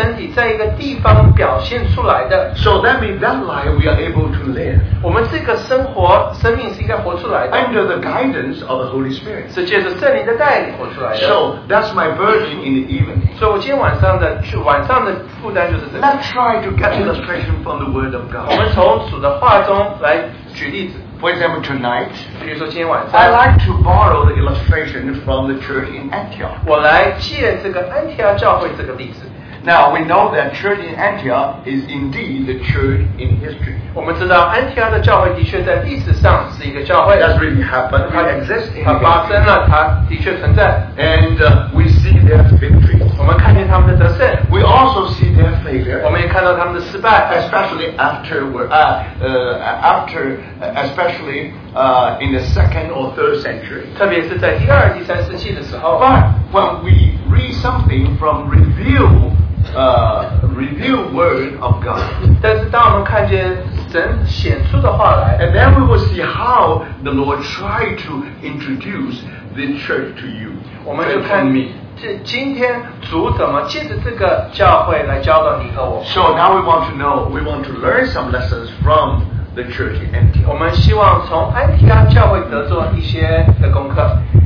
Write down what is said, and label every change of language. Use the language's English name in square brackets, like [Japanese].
[Chinese] 所以我们当说到基督的身体在一个地方表现出来的, [English] so that means that life we are able to live, [Chinese] 我们这个生活生命是应该活出来的, [English] under the guidance of the Holy Spirit, [Chinese] 是借着圣灵的带领活出来的。 [English] So that's my burden in the evening. [Chinese] 所以我今天晚上的负担就是这个。 [English] Let's try to get illustration from the word of God. [Chinese] 我们从主的话中来举例子。 [English] For example, tonight, [Chinese] 比如说今天晚上, [English] I like to borrow the illustration from the church in Antioch. [Chinese] 我来借这个安提阿教会这个例子。 [English] Now, we know that church in Antioch is indeed the church in history. [Chinese] 我们知道安提阿的教会的确在历史上是一个教会。 [English] That's really happened. It exists in history. [Chinese] 它发生了, 它的确存在。 [English] And we see their victory. [Chinese] 我们看见他们的得胜。 [English] We also see their failure. [Chinese] 我们也看到他们的失败。 [English] Especially in the second or third century. [Chinese] 特别是在第二、第三世纪的时候。 [English] But when we read something from review word of God, [Chinese] 但是当我们看见神显出的话来, [English] and then we will see how the Lord tried to introduce the church to you, [Chinese] 我们就看, [English] to me. [Chinese] 今天主怎么借着这个教会来教导你和我, [English] so now we want to know, we want to learn some lessons from the church in Antioch. [Chinese] 我们希望从安提阿教会得做一些的功课。